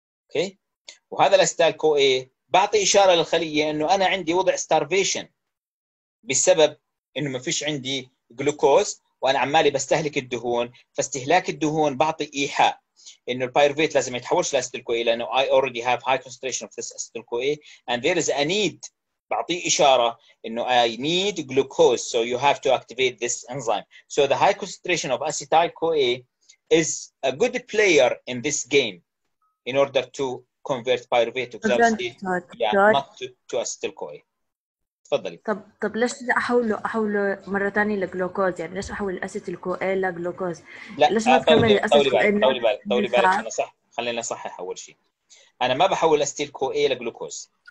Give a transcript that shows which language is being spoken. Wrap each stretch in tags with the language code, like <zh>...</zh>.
<ar>Okay؟ وهذا الأسيتايل CoA بعطي إشارة للخلية إنه أنا عندي وضع starvation بسبب إنه ما فيش عندي جلوكوز وأنا عمالي بستهلك الدهون، فاستهلاك الدهون بعطي إيحاء إنه البايروفيت لازم يتحولش لأسيتايل CoA لأنه</ar> <en>I already have high concentration of this acetyl CoA and there is a need.</en> <ar>بعطي إشارة إنه</ar> <en>I need glucose so you have to activate this enzyme. So the high concentration of acetyl CoA is a good player in this game in order to convert pyruvate to glucose, yeah, not to acetyl-CoA.</en> <ar>تفضلي. طب ليش أحوله مرة تانية لجلوكوز؟ يعني ليش أحول الأسيتيل-CoA لجلوكوز؟ لا، ليش ما تكمل طولي بالك. خلينا صحيح أول شيء. أنا ما بحول الأسيتيل-CoA لجلوكوز.</ar>